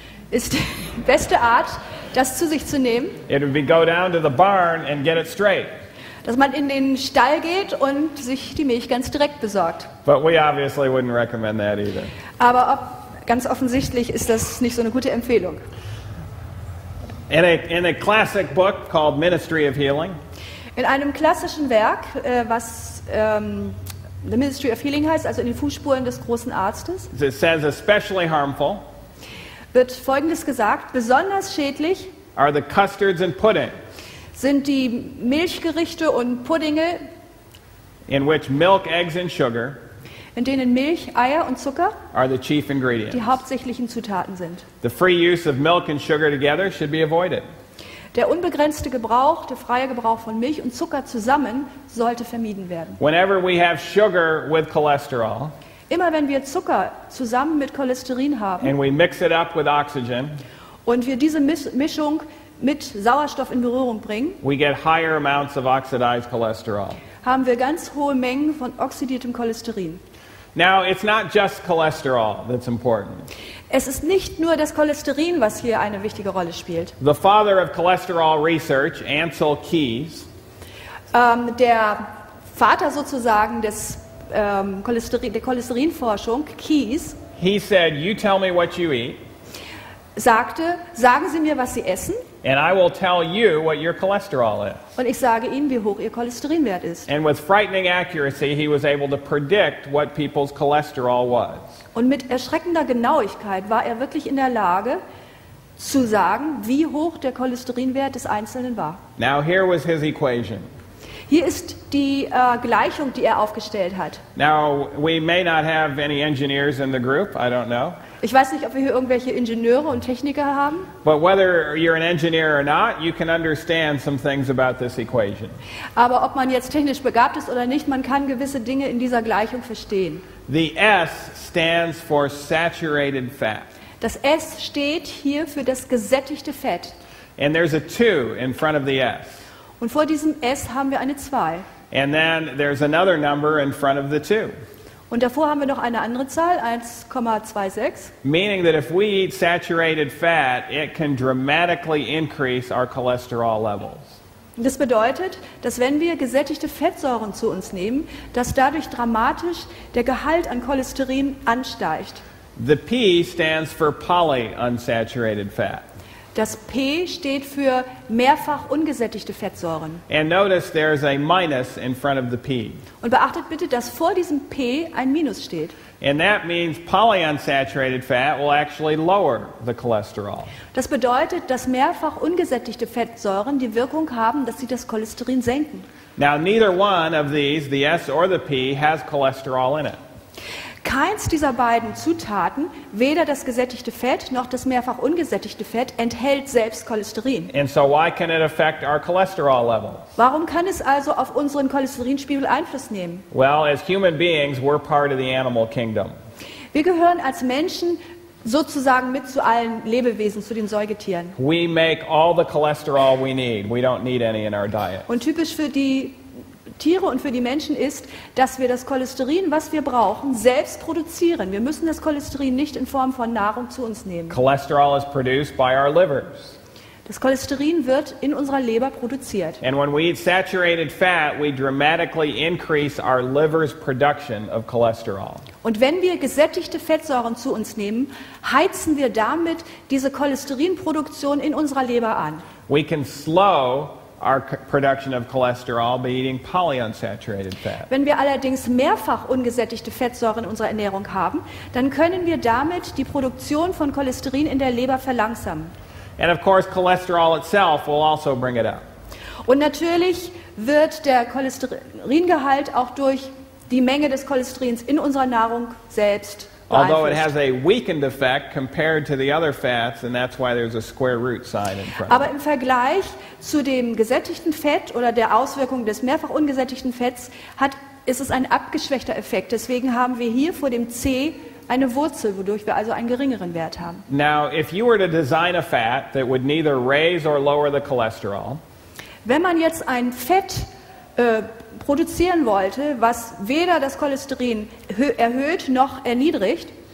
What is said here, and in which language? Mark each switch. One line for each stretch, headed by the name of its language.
German: ist die beste Art, das zu sich zu nehmen.
English: It would be go down to the barn and get it straight.
German: Dass man in den Stall geht und sich die Milch ganz direkt besorgt.
English: But we obviously wouldn't recommend that either.
German: Aber ganz offensichtlich ist das nicht so eine gute Empfehlung.
English: In a classic book called Ministry of Healing.
German: In einem klassischen Werk, was The Ministry of Healing heißt, also in den Fußspuren des großen Arztes.
English: It says especially harmful.
German: Wird Folgendes gesagt: Besonders schädlich.
English: Are the custards and pudding.
German: Sind die Milchgerichte und Puddinge.
English: In which milk, eggs and sugar.
German: In denen Milch, Eier und Zucker
English: are the chief ingredients.
German: Die hauptsächlichen Zutaten sind.
English: The free use of milk and sugar together should be avoided.
German: Der unbegrenzte Gebrauch, der freie Gebrauch von Milch und Zucker zusammen sollte vermieden werden.
English: Whenever we have sugar with cholesterol,
German: immer wenn wir Zucker zusammen mit Cholesterin haben,
English: and we mix it up with oxygen,
German: und wir diese Mischung mit Sauerstoff in Berührung bringen,
English: we get higher amounts of oxidized cholesterol.
German: Haben wir ganz hohe Mengen von oxidiertem Cholesterin.
English: Now, it's not just cholesterol that's important.
German: Es ist nicht nur das Cholesterin, was hier eine wichtige Rolle spielt.
English: The father of cholesterol research, Ansel Keys,
German: der Vater sozusagen des Cholesterin, der Cholesterinforschung, Keys,
English: he said, "You tell me what you eat."
German: Sagte, sagen Sie mir, was Sie essen.
English: And I will tell you what your cholesterol is.
German: Und ich sage Ihnen, wie hoch Ihr Cholesterinwert ist.
English: And with frightening accuracy, he was able to predict what people's cholesterol was.
German: Und mit erschreckender Genauigkeit war er wirklich in der Lage zu sagen, wie hoch der Cholesterinwert des Einzelnen war.
English: Now here was his equation.
German: Hier ist die Gleichung, die er aufgestellt hat.
English: Now we may not have any engineers in the group. I don't know.
German: Ich weiß nicht, ob wir hier irgendwelche Ingenieure und Techniker haben.
English: But whether you're an engineer or not, you can understand some things about this equation.
German: Aber ob man jetzt technisch begabt ist oder nicht, man kann gewisse Dinge in dieser Gleichung verstehen.
English: The S stands for saturated fat.
German: Das S steht hier für das gesättigte Fett.
English: And there's a 2 in front of the S.
German: Und vor diesem S haben wir eine 2.
English: And then there's another number in front of the 2.
German: Und davor haben wir noch eine andere Zahl, 1,26.
English: Meaning that if we eat saturated fat, it can dramatically increase our cholesterol levels.
German: Das bedeutet, dass wenn wir gesättigte Fettsäuren zu uns nehmen, dass dadurch dramatisch der Gehalt an Cholesterin ansteigt.
English: The P stands for polyunsaturated fat.
German: Das P steht für mehrfach ungesättigte Fettsäuren.
English: And notice there's a minus in front of the P.
German: Und beachtet bitte, dass vor diesem P ein Minus steht.
English: And that means polyunsaturated fat will actually lower the cholesterol.
German: Das bedeutet, dass mehrfach ungesättigte Fettsäuren die Wirkung haben, dass sie das Cholesterin senken.
English: Now neither one of these, the S or the P, has cholesterol in it.
German: Keins dieser beiden Zutaten, weder das gesättigte Fett noch das mehrfach ungesättigte Fett, enthält selbst Cholesterin.
English: And so why can it affect our cholesterol levels?
German: Warum kann es also auf unseren Cholesterinspiegel Einfluss nehmen?
English: Well, as human beings, we're part of the animal kingdom.
German: Wir gehören als Menschen sozusagen mit zu allen Lebewesen, zu den Säugetieren.
English: We make all the cholesterol we need. We don't need any in our diet.
German: Und typisch für die Tiere und für die Menschen ist, dass wir das Cholesterin, was wir brauchen, selbst produzieren. Wir müssen das Cholesterin nicht in Form von Nahrung zu uns nehmen.
English: Cholesterol is produced by our livers.
German: Das Cholesterin wird in unserer Leber produziert.
English: And when we eat saturated fat, we dramatically increase our liver's production of cholesterol.
German: Und wenn wir gesättigte Fettsäuren zu uns nehmen, heizen wir damit diese Cholesterinproduktion in unserer Leber an.
English: We can slow our production of cholesterol by eating polyunsaturated fat.
German: Wenn wir allerdings mehrfach ungesättigte Fettsäuren in unserer Ernährung haben, dann können wir damit die Produktion von Cholesterin in der Leber verlangsamen.
English: And of course, cholesterol itself will also bring it up.
German: Und natürlich wird der Cholesteringehalt auch durch die Menge des Cholesterins in unserer Nahrung selbst beeinflusst.
English: Although it has a weakened effect compared to the other fats, and that's why there's a square root sign in front.
German: Aber im Vergleich zu dem gesättigten Fett oder der Auswirkung des mehrfach ungesättigten Fetts ist es ein abgeschwächter Effekt. Deswegen haben wir hier vor dem C eine Wurzel, wodurch wir also einen geringeren Wert haben.
English: Now, if you were to design a fat that would neither raise or lower the cholesterol,
German: wenn man jetzt ein Fett produzieren wollte, was weder das Cholesterin erhöht noch erniedrigt,